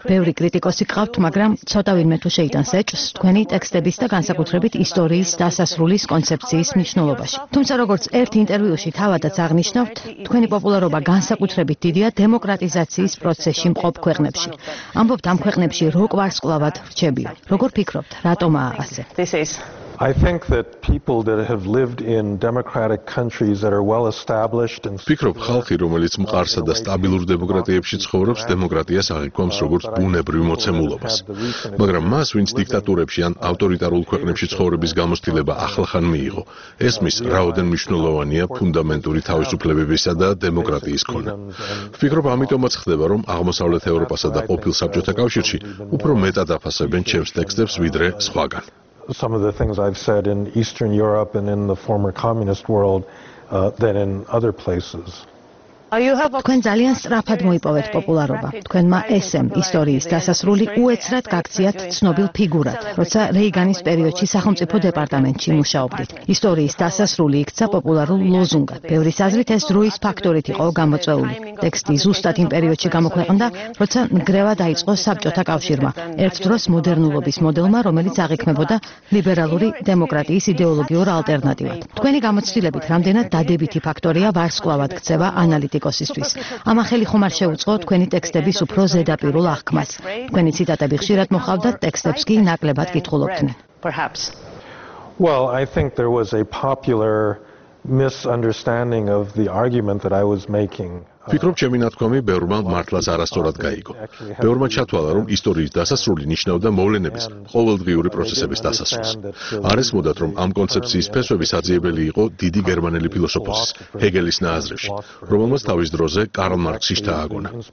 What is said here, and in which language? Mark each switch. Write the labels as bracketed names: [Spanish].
[Georgian] ბევრი კრიტიკოსი გყავთ, მაგრამ ცოტა ვინმე თუ შეიტანს ეჭვს თქვენი ტექსტების და განსაკუთრებით ისტორიის დასასრულის კონცეფციის მნიშვნელობაში. თუმცა, როგორც ერთ ინტერვიუში თავადაც აღნიშნავთ, თქვენი პოპულარობა განსაკუთრებით დიდია დემოკრატიზაციის პროცესში მყოფ ქვეყნებში. ამბობთ, ამ ქვეყნებში როგორ ვარსკვლავად რჩებიან? როგორ ფიქრობთ, რატომაა ასე? [English] I think that people that have lived in democratic countries that are well established and [Georgian] ფიქრობ, ხალხი, რომელიც მყარსა და სტაბილურ დემოკრატიებში ცხოვრობს, დემოკრატიას აღიქვამს როგორც ბუნებრივ მოცემულობას. მაგრამ მას, ვინც დიქტატურებში ან ავტორიტარულ ქვეყნებში ცხოვრების გამოცდილება ახლახან მიიღო, ეს მის რაოდენ მნიშვნელოვანია ფუნდამენტური თავისუფლებებისა და დემოკრატიის ქონა. ფიქრობ, ამიტომაც ხდება, რომ აღმოსავლეთ ევროპასა და ყოფილ საბჭოთა კავშირში უფრო მეტად აფასებენ ჩემს ტექსტებს ვიდრე სხვაგან. [English] Some of the things I've said in Eastern Europe and in the former communist world than in other places. [Georgian] თქვენ ძალიან სწრაფად მოიპოვეთ პოპულარობა. თქვენმა ესემ ისტორიის დასასრული უეცრად გაქციათ ცნობილ ფიგურად, როცა რეიგანის პერიოდში სახელმწიფო დეპარტამენტში მუშაობდით. ისტორიის დასასრული იქცა პოპულარულ ლოზუნგად. ბევრის აზრით ეს დროის ფაქტორით იყო გამოწვეული. ტექსტი ზუსტად იმ პერიოდში გამოქვეყნდა, როცა ნგრევა დაიწყო საბჭოთა კავშირმა, ერთ დროს მოდერნულობის მოდელმა, რომელიც აღიქმებოდა ლიბერალური დემოკრატიის იდეოლოგიურ ალტერნატივად. თქვენი გამოცდილებით, რამდენად დადებითი ფაქტორია ვარსკვლავად ქცევა ანალიტიკოსისთვის? ამ ახალი ხომარ შეუწყო თქვენი ტექსტების უფრო ზედაპირულ აღქმას. თქვენი ციტატები ხშირად მოხავდა ტექსტებს კი ნაკლებად კითხულობდნენ. [English] Well, I think there was a popular misunderstanding of the argument that I was making. [Georgian] ფიქრობ, ჩემი ნათქვამი ბევრმა მართლაც არასწორად გაიგო. ბევრმა ჩათვალა, რომ ისტორიის დასასრული ნიშნავდა მოვლენების ყოველდღიური პროცესების დასასრულს. არესმოდათ, რომ ამ კონცეფციის ფესვები საძიებელი იყო დიდი გერმანელი ფილოსოფოსის ჰეგელის ნააზრებში, რომელმაც თავის დროზე კარლ მარქსი შთააგონა.